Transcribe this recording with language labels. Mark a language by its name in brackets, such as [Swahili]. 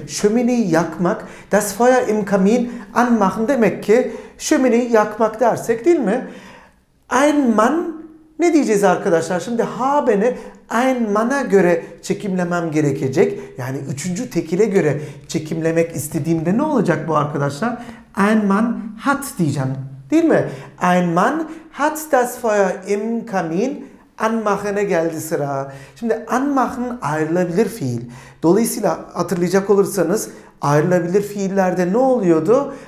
[Turkish] Şömineyi yakmak. [German] Das Feuer im Kamin anmachen [Turkish] demek ki şömineyi yakmak dersek değil mi? Ein Mann, ne diyeceğiz arkadaşlar? Şimdi haben'i ein Mann'a göre çekimlemem gerekecek. Yani üçüncü tekile göre çekimlemek istediğimde ne olacak bu arkadaşlar? [German] Ein Mann hat [Turkish] diyeceğim. Değil mi? [German] Ein Mann hat das Feuer im Kamin anmachen'e [Turkish] geldi sıra. Şimdi anmachen ayrılabilir fiil. Dolayısıyla hatırlayacak olursanız ayrılabilir fiillerde ne oluyordu?